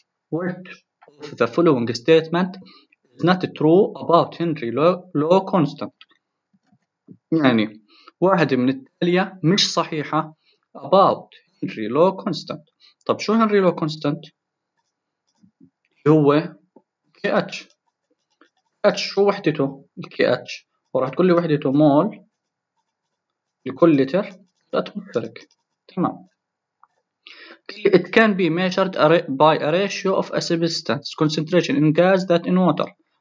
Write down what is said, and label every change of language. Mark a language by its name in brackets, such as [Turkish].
[English] Which of the following statement is not true about Henry Law constant، [Arabic] يعني واحد من التالية مش صحيحة [English] about Henry Law constant. [Arabic] طب شو Henry Law constant؟ هو KH. KH شو وحدته؟ KH، وراح تقول لي وحدته مول لكل لتر لا تفرق. تمام. [English] It can be measured by a ratio of a substance concentration in gas that in water.